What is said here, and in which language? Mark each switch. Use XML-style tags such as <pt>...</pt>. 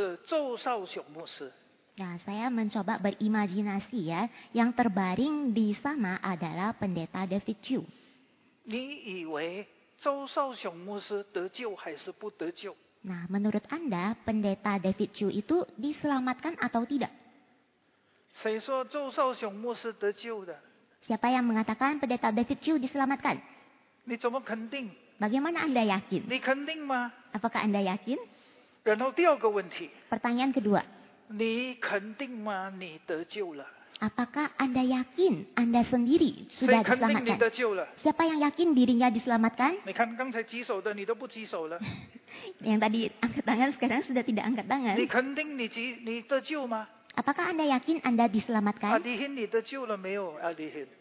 <id>Nah, saya mencoba berimajinasi ya, yang terbaring di sana adalah pendeta David Chiu.</id> <zh>你以为周少雄牧师得救还是不得救?</zh> <id>Nah, menurut Anda, pendeta David Chiu itu diselamatkan atau tidak?</id> <zh>谁说周少雄牧师得救的?</zh> <id>Siapa yang mengatakan pendeta David Chiu diselamatkan?</id> <zh>你怎么肯定?</zh> <id>Bagaimana Anda yakin?</id> <zh>你肯定吗?</zh> <id>Apakah Anda yakin?</id> <zh>然后第二个问题.</zh> <id>Pertanyaan kedua.</id> <zh>你肯定吗？你得救了。</zh> <id>Apakah Anda yakin Anda sendiri sudah diselamatkan? Siapa yang yakin dirinya diselamatkan?</id> <zh>你看刚才举手的，你都不举手了。</zh> <id>Yang tadi angkat tangan sekarang sudah tidak angkat tangan.</id> <zh>你肯定你得救吗？</zh> <id>Apakah Anda yakin Anda diselamatkan?</id> <zh>Adihin，你得救了没有？Adihin.</zh>